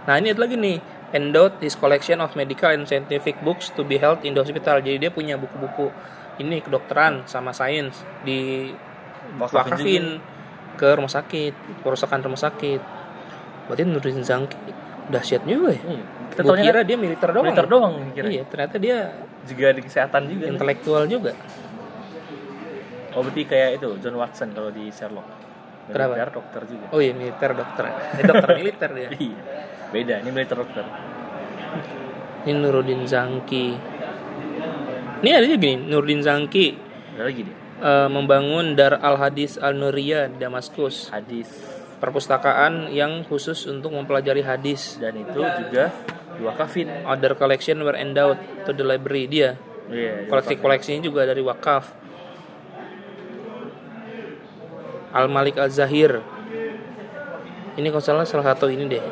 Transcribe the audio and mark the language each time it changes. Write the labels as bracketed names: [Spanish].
[Indonesian] Nah, ini ada lagi nih, [English] endowed his collection of medical and scientific books to be held in the hospital. [Indonesian] Jadi dia punya buku-buku ini kedokteran sama sains di wakafin ke rumah sakit, perusahaan rumah sakit. Berarti Nurdin Zangki dahsyat juga ya. Gue kira dia militer doang. Militer doang. Iya, ternyata dia juga di kesehatan juga. Intelektual nih juga. Oh, berarti kayak itu John Watson kalau di Sherlock. Kenapa? Militer, dokter juga. Oh iya, militer, dokter. Dokter militer dia. Iya. Beda, ini militer, dokter. Ini Nurdin Zangki. Ini ada juga nih, Nurdin Zangki. Ada lagi nih. Membangun Dar al-Hadis al-Nuriyah Damaskus. Hadis. Perpustakaan yang khusus untuk mempelajari hadis. Dan itu juga diwakafin. [English] Other collection were endowed to the library dia. [Indonesian] Iya. Koleksi-koleksinya juga dari wakaf. Al-Malik al-Zahir. Ini kalau salah salah satu ini deh.